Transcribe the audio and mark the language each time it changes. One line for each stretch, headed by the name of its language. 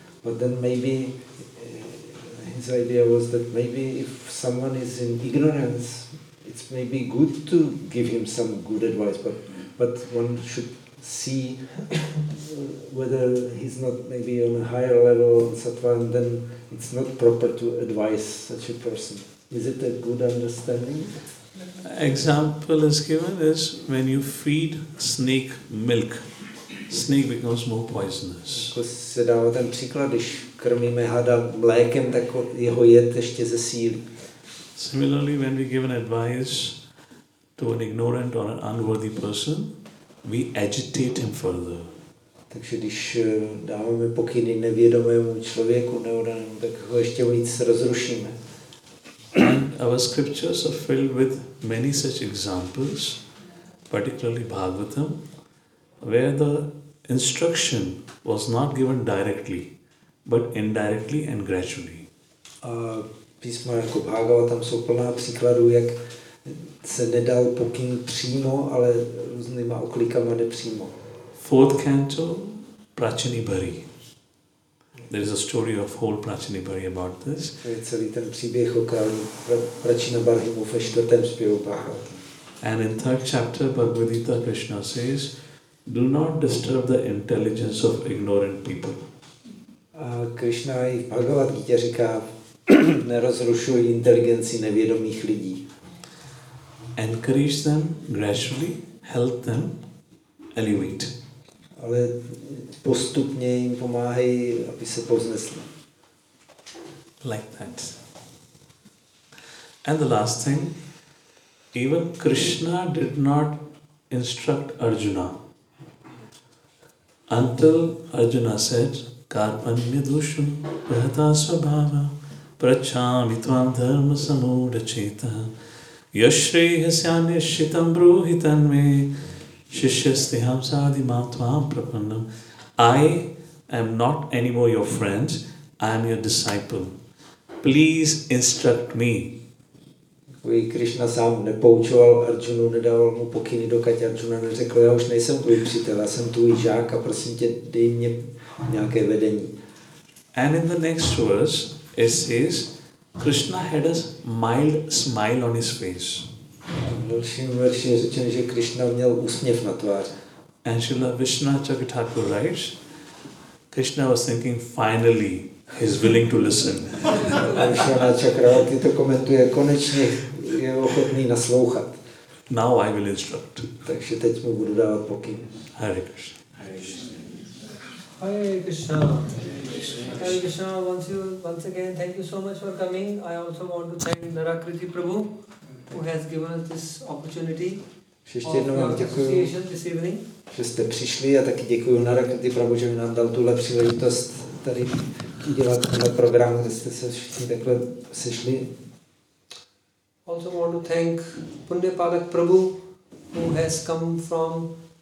English: But then maybe his idea was that maybe if someone is in ignorance, it's maybe good to give him some good advice, but one should see whether he's not maybe on a higher level in sattva, and then it's not proper to advise such a person. Is it a good understanding? Example is given is when you feed snake milk, snake becomes more poisonous.
Czech: Se dává ten příklad, když krmíme hada mlékem, tak jeho jed ještě zesílí.
English: Similarly, when we give an advice to an ignorant or an unworthy person, we agitate him further.
Czech: Takže když dáváme pokyny nevědomému člověku, neodanému, tak ho ještě víc rozrušíme.
English: And our scriptures are filled with many such examples, particularly Bhagavatam, where the instruction was not given directly, but indirectly and gradually.
Czech: Písma jako Bhagavatam jsou plná příkladů, jak se nedal pokyn přímo, ale různýma oklikama nepřímo.
English: Fourth canto, Prachinibhari. There is a story of whole Prachinibhari about this.
Czech: To je celý ten příběh o králi Prachinibhari ve čtvrtém zpěvu Bhagavatam.
English: And in third chapter, Bhagavad Gita Krishna says, do not disturb the intelligence of ignorant people.
Czech: A Krishna i v Bhagavad Gita říká, nerozrušují inteligenci nevědomých lidí.
English: Encourage them gradually, help them elevate.
Czech: Ale postupně jim pomáhají, aby se povznesli.
English: Like that. And the last thing, even Krishna did not instruct Arjuna until Arjuna said,
Sanskrit: Karpanya dushun prahata svabhava prachamitvam dharma samudacheta yashrehasyanishitam bruhitanme shishyastiham sadhimatvam prapannam.
English: I am not anymore your friend, I am your disciple. Please instruct me.
Czech: Kvůli Krishna sám nepoučoval Arjunu, nedával mu pokyny, dokud Arjuna neřekl, já už nejsem tvůj přítel, já jsem tvůj žák a prosím tě, dej mě nějaké vedení.
English: And in the next verse, it says, Krishna had a mild smile on his face.
Czech: V dalším verši je řečeno, že Krishna měl úsměv na tváři.
English: And Srila Vishnu Chakra Thakur writes, Krishna was thinking, finally, he's willing to listen.
Czech: Vishnu Chakra to komentuje, konečně je ochotný naslouchat.
English: Now I will instruct.
Czech: Takže teď mu budu dávat pokyn.
English: Hare Krishna. Hare Krishna. Hare Krishna, once again, thank you so much for coming. I also want to thank Narakriti Prabhu, who has given us this opportunity this evening.
Czech: Že jste přišli a taky děkuji Narakriti Prabhu, že nám dal tuhle příležitost tady udělat tenhle program, kde jste se všichni takhle sešli.
English: Also want to thank Pundyapadak Prabhu, who has come from